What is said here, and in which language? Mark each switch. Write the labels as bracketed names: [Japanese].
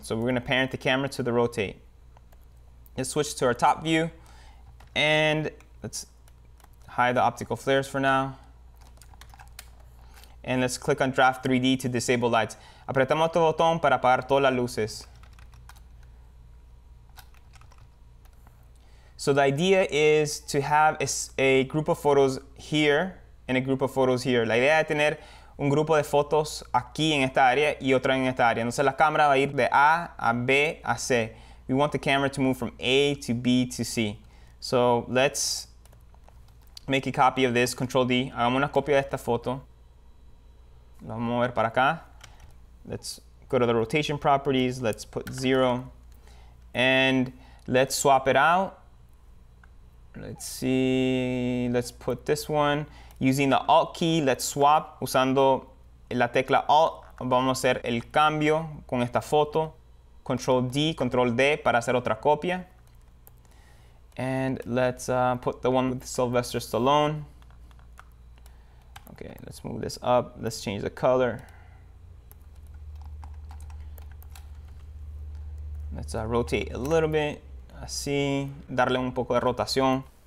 [English] So we're going to parent the camera to the rotate. Let's switch to our top view and let's hide the optical flares for now. And let's click on Draft 3D to disable lights. [Spanish] Apretamos este botón para apagar todas las luces. [English] So the idea is to have a group of photos here and a group of photos here. [Spanish] La idea es tener un grupo de fotos aquí en esta área y otra en esta área. Entonces la cámara va a ir de A a B a C. [English] We want the camera to move from A to B to C. So let's make a copy of this, Control D. [Spanish] Hagamos una copia de esta foto. Lo vamos a mover para acá. [English] Let's go to the rotation properties. Let's put 0. And let's swap it out. Let's see. Let's put this one. Using the Alt key, let's swap. [Spanish] Usando la tecla Alt, vamos a hacer el cambio con esta foto. Control D, Control D para hacer otra copia. [English] And let's put the one with Sylvester Stallone. Okay, let's move this up. Let's change the color. Let's rotate a little bit. [Spanish] Así, darle un poco de rotación.